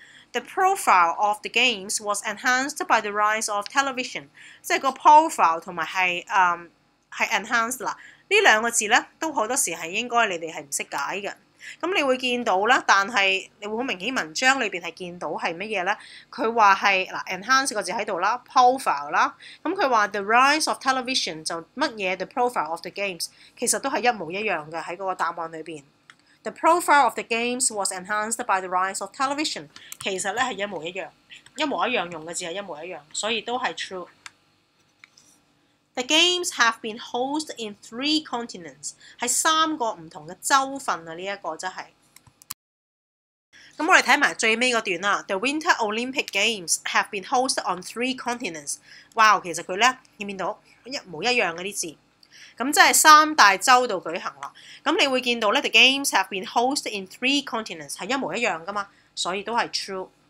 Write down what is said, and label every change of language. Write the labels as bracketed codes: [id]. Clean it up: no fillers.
[en] The profile of the games was enhanced by the rise of television， [yue] 即係個 profile 同埋係係 enhanced 啦。呢兩個字咧都好多時係應該你哋係唔識解嘅。咁你會見到啦，但係你會好明顯文章裏邊係見到係乜嘢咧？佢話係嗱 ，enhance 個字喺度啦 ，profile 啦。咁佢話 [en] the rise of television [yue] 就乜嘢 ？ [en] The profile of the games [yue] 其實都係一模一樣嘅喺嗰個答案裏邊。 [en] The profile of the games was enhanced by the rise of television， [yue] 其實咧係一模一樣，一模一樣用嘅字係一模一樣，所以都係 true。 [en] The games have been hosted in three continents， [yue] 係三個唔同嘅州份啊！呢一個真係。咁我哋睇埋最尾嗰段啦。 [en] The Winter Olympic Games have been hosted on three continents。 [yue] 哇！其實佢咧見唔見到一模一樣嘅啲字，咁即係三大洲度舉行啦。咁你會見到咧 ， [en] The games have been hosted in three continents [yue] 係一模一樣噶嘛，所以都係 true。